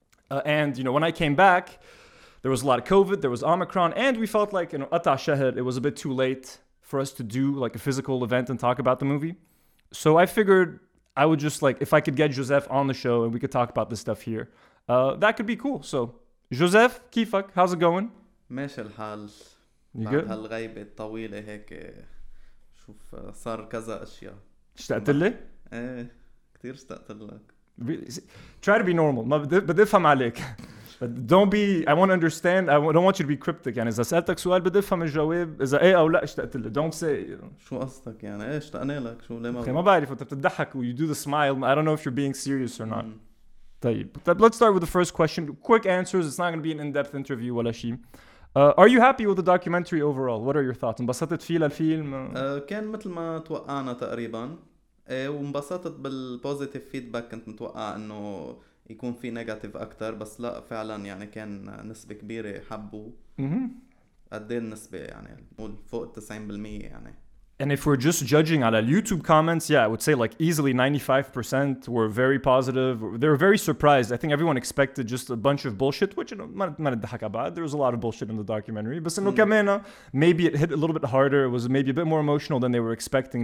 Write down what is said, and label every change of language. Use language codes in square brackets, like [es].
[en] And, you know, when I came back, there was a lot of COVID, there was Omicron, and we felt like, you know, Ata Shahed, it was a bit too late for us to do like a physical event and talk about the movie. So I figured I would just, like, if I could get Joseph on the show and we could talk about this stuff here, that could be cool. So Joseph, kifak, how's it going? [ar] ماشي الحال. [en] You good? [ar] بعد هالغيبة الطويلة هيك شوف صار كذا أشياء. اشتقت لي؟ إيه كتير اشتقت لك. [en] Try to be normal. [ar] بدفهم عليك. [en] But don't be, I want to understand, I don't want you to be cryptic. [ar] يعني إذا سألتك سؤال بدفهم الجواب إذا إيه أو لا اشتقت لي. [en] Don't say. [ar] شو قصدك يعني؟ إيه اشتقنا لك شو ليه ما أخي ما بعرف أنت بتضحك و [en] you do the smile. I don't know if you're being serious or not. Let's start with the first question. Quick answers. It's not going to be an in-depth interview. Walashim. Are you happy with the documentary overall? What are your thoughts? [ar] انبسطت فيه للفيلم؟ كان مثل ما توقعنا تقريبا. وانبسطت بالبوزيتيف فيدباك. كنت متوقع انه يكون في نيجاتيف اكتر. بس لا فعلا يعني كان نسبة كبيرة حبوا. قدين نسبة يعني فوق 90% يعني. [en] And if we're just judging on YouTube comments, yeah, I would say like easily 95% were very positive. They were very surprised. I think everyone expected just a bunch of bullshit, which, you know, there was a lot of bullshit in the documentary. But maybe it hit a little bit harder. It was maybe a bit more emotional than they were expecting.